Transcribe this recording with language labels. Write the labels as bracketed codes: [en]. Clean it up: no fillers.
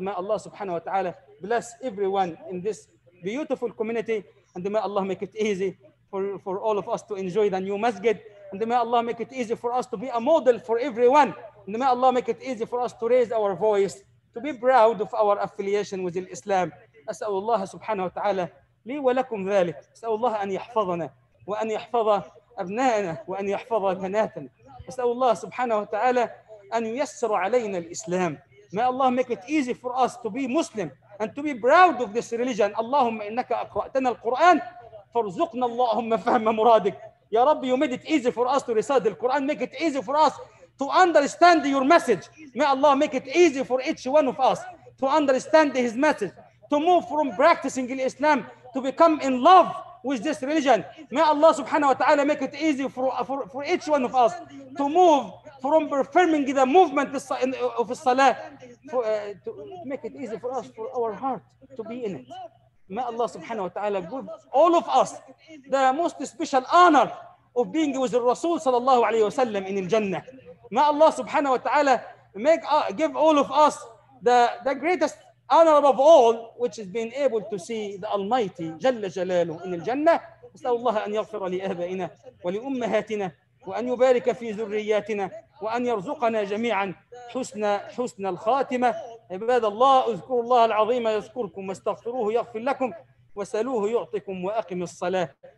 [en] May Allah subhanahu wa ta'ala bless everyone in this beautiful community. And may Allah make it easy for all of us to enjoy the new masjid. And may Allah make it easy for us to be a model for everyone. And may Allah make it easy for us to raise our voice, to be proud of our affiliation with Islam. [ar] أسأل الله سبحانه وتعالى لي ولكم ذلك. أسأل الله أن يحفظنا وأن يحفظ أبنائنا وأن يحفظ بناتنا. أسأل الله سبحانه وتعالى أن ييسر علينا الإسلام. [en] May Allah make it easy for us to be Muslim and to be proud of this religion. [ar] اللهم إنك أقرأتنا القرآن فارزقنا اللهم فهم مرادك. [en] يا رب, you made it easy for us to recite the Quran. Make it easy for us to understand your message. May Allah make it easy for each one of us to understand his message, to move from practicing Islam to become in love with this religion. May Allah subhanahu wa ta'ala make it easy for each one of us to move from performing the movement of Salah to make it easy for us, for our heart to be in it. May Allah subhanahu wa ta'ala give all of us the most special honor of being with the Rasul sallallahu alayhi wa sallam in Jannah. May Allah subhanahu wa ta'ala give all of us the greatest honor of all, which is being able to see the Almighty Jalla Jalaluhu in Jannah. [ar] أسأل الله أن يغفر لآبائنا ولأمهاتنا وأن يبارك في ذرياتنا وأن يرزقنا جميعا حسن الخاتمة. عباد الله, اذكروا الله العظيم يذكركم واستغفروه يغفر لكم وسلوه يعطيكم وأقم الصلاة.